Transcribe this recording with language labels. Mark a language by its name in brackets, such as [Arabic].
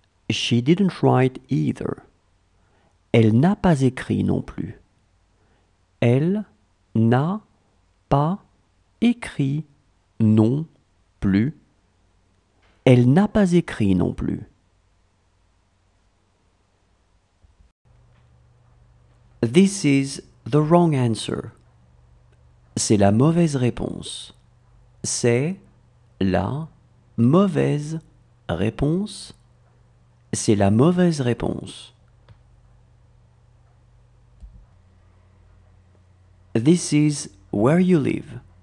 [English] She didn't write either. [French] Elle n'a pas écrit non plus. Elle n'a pas écrit non plus. Elle n'a pas écrit non plus. [English] This is the wrong answer. [French] C'est la mauvaise réponse. C'est la mauvaise réponse. C'est la mauvaise réponse. [English] This is where you live.